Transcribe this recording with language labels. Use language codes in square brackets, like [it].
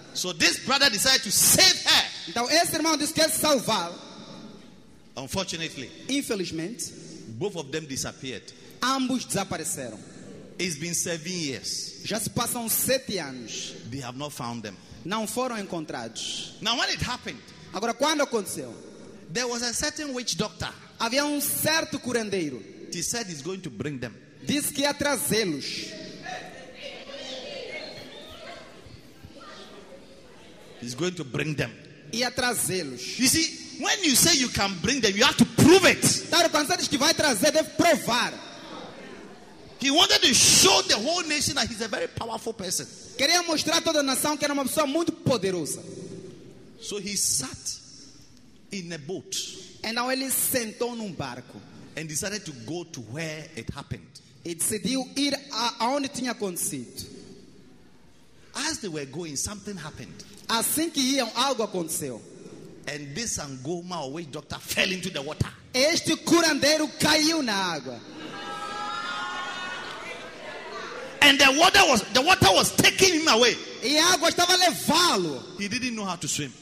[en] So this brother decided to save her. [pt] Então esse irmão disse que ia salvar. [en] Unfortunately. [pt] Infelizmente. [en] Both of them disappeared. [pt] Ambos desapareceram. [en] It's been 7 years. [pt] Já se passam 7 anos. [en] They have not found them. [pt] Não foram encontrados. [en] Now when it happened. [pt] Agora quando aconteceu? [en] There was a certain witch doctor. [pt] Havia certo curandeiro. [en] He said he's going to bring them. [pt] Diz que ia trazê-los. [en] He's going to bring them. [pt] Ia trazê-los. [en] You see, when you say you can bring them, you have to prove it. [pt] Claro, quando você diz que vai trazer, deve provar. [en] He wanted to show the whole nation that he's a very powerful person. [pt] Queria mostrar toda a nação que era uma pessoa muito poderosa. [en] So he sat in a boat. And now [pt] ele sentou num barco. [en] And decided to go to where it happened. [pt] E decidiu ir aonde tinha acontecido. [en] As they were going, something happened. [pt] Assim que iam, algo aconteceu. [en] And this angoma or witch doctor fell into the water. [pt] Este curandeiro caiu na água. [en] And the water was taking him away. [pt] E a água estava levá-lo. [en] He didn't know how to swim.